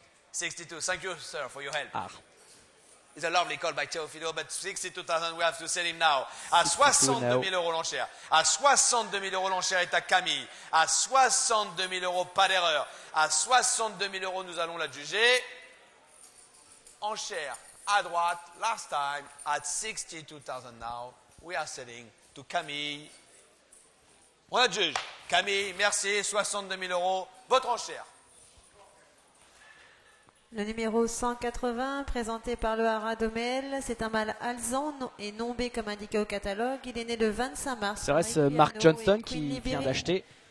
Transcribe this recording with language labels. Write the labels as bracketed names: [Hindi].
[English] 62, thank you, sir, for your help. Ah. It's a lovely call by Teofilo, but 62,000, we have to sell him now. [French] À 62 000 euros l'enchère. À 62 000 euros l'enchère est à Camille. À 62 000 euros, pas d'erreur. À 62 000 euros, nous allons la juger. Enchère. À droite, [English] last time, at 62,000 now, we are selling to Camille. [French] On a juge. Camille, merci, 62 000 euros, votre enchère. Le numéro 180, présenté par le Hara Domel, c'est un mâle alzan et non B comme indiqué au catalogue. Il est né le 25 mars. Serait-ce Mark Johnston qui vient d'acheter?